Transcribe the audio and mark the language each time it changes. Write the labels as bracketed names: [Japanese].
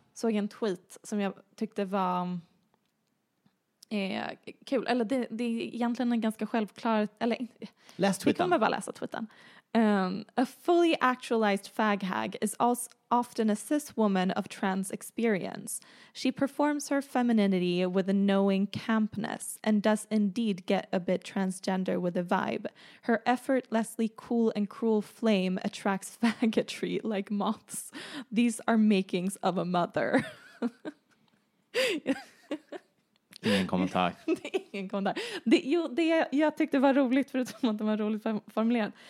[Swedish] Såg en tweet som jag tyckte var kul. Eller det är egentligen en ganska självklar... Eller, läs tweeten. Vi kommer bara läsa tweeten. [English] A fully actualized fag hag is also often a cis woman of trans experience. She performs her femininity with a knowing campness and does indeed get a bit transgender with a vibe. Her effortlessly cool and cruel flame attracts faggotry like moths. These are makings of a mother. [Swedish] Ingen kommentar. Ingen kommentar. Det, jo, det jag tyckte var roligt, förutom att det var roligt formulerat.